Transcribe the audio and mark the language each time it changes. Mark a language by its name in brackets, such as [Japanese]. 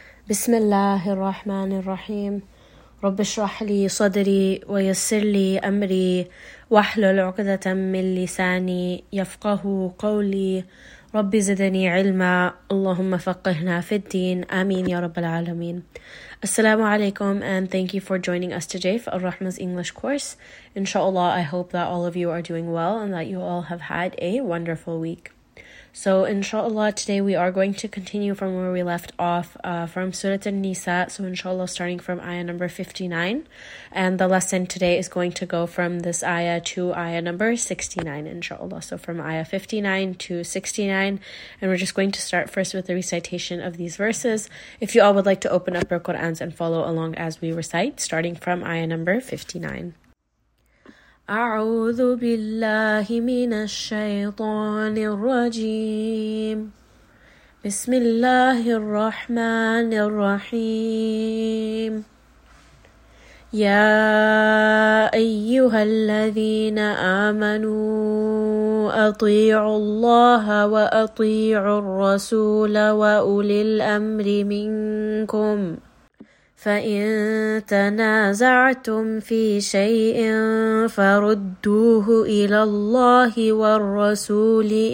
[Arabic] بسم الله الرحمن الرحيم. رب اشرح لي صدري ويسر لي أمري واحلل عقدة من لساني يفقه قولي. رب زدني علما، اللهم فقهنا في الدين، آمين يا رب العالمين. [English] Assalamu alaikum and thank you for joining us today for Al-Rahma's English course. Inshallah, I hope that all of you are doing well and that you all have had a wonderful week. So inshallah, today we are going to continue from where we left off from Surah An-Nisa. So inshallah, starting from ayah number 59. And the lesson today is going to go from this ayah to ayah number 69, inshallah. So from ayah 59 to 69. And we're just going to start first with the recitation of these verses. If you all would like to open up your Qur'ans and follow along as we recite, starting from ayah number 59. [Arabic] أعوذ بالله من الشيطان الرجيم بسم الله الرحمن الرحيم يا أيها الذين آمنوا أطيعوا الله وأطيعوا الرسول وأولي الأمر منكم فإن تنازعتم في شيء فردوه إلى الله والرسول